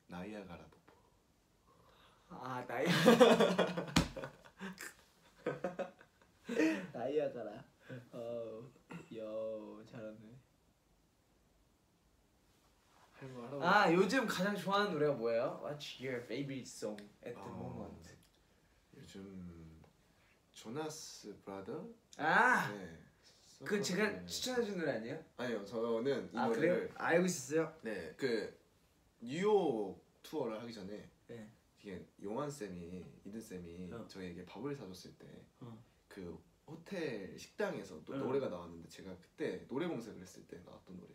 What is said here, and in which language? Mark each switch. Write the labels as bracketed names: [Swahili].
[Korean] 나이아가라 폭포. 아 나이아 나이아가라 여 잘하네. 아 요즘 가장 좋아하는 노래가 뭐예요? [English] What's your favorite song at the moment? [Korean] 요즘 조나스 브라더? 아 네. 그 제가 추천해준 노래 아니에요? 아니요 저는 이 노래를 아, 그래요? 알고 있었어요? 네 그 뉴욕 투어를 하기 전에 네. 이게 용환 쌤이 이든 쌤이 저에게 밥을 사줬을 때 그 호텔 식당에서 또 노래가 나왔는데 제가 그때 노래 검색을 했을 때 나왔던 노래.